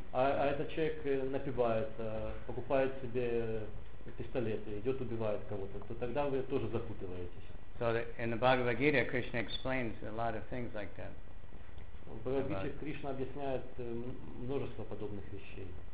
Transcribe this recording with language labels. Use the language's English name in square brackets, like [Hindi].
[Russian] А этот человек напивается, покупает себе пистолет и идет убивает кого-то, то тогда вы тоже запутываетесь. [English] So in the Bhagavad Gita, Krishna explains a lot of things like that. [Russian] В Бхагавад Гите Кришна объясняет множество подобных вещей.